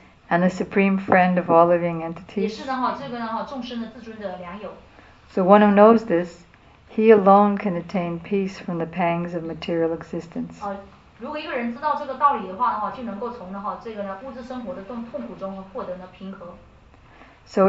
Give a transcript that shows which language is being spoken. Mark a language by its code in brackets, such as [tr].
[en] And the supreme friend of all living entities. [zh] 也是呢,这个呢,众生的自尊的良友。 [en] So one who knows this, he alone can attain peace from the pangs of material existence. [zh] 如果一个人知道这个道理的话的话，就能够从呢哈这个呢物质生活的痛苦中获得呢平和。 [en] So